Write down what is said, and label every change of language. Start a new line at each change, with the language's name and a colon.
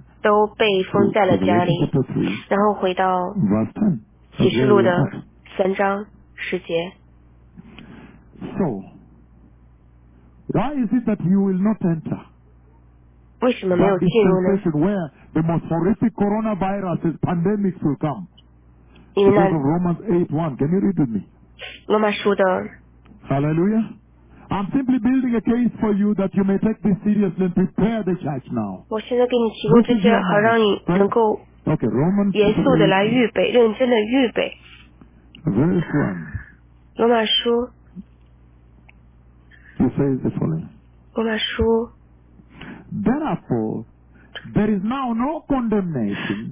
Chinese: 都被封在了家里，然后回到启示录的三章十节。
English: So, why is it that you will not enter?
Chinese: 为什么没有进入呢？
English: That is the place where the most horrific coronavirus pandemics will come. Because of Romans 8:1. Can you read with me?
Chinese: 罗马书的。
English: Hallelujah. I'm simply building a case for you that you may take this seriously and prepare the church now.
Chinese: 我现在给你提供这些，好让你能够严肃的来预备，认真的预备。
English: Verse one.
Chinese: 罗马书。
English: You say the following.
Chinese: 罗马书。
English: Therefore, there is now no condemnation.